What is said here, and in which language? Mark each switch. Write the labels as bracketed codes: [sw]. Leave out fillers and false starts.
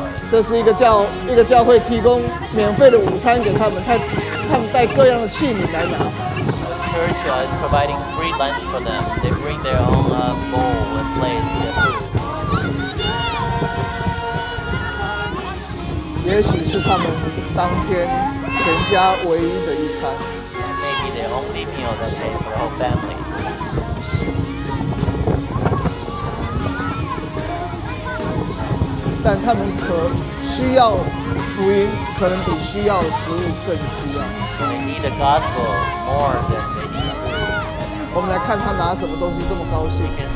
[zh] 这是一个教会提供免费的午餐给他们，他们带各样的器皿来拿。 [en] Church is providing free lunch for them. They bring their own bowl and plate. [zh] 也许是他们当天全家唯一的一餐。 [en] Maybe their only meal that day for the whole family. [zh] 但他们可需要福音，可能比需要食物更需要。 [en] They need the gospel more than. [zh] 我们来看他拿什么东西这么高兴。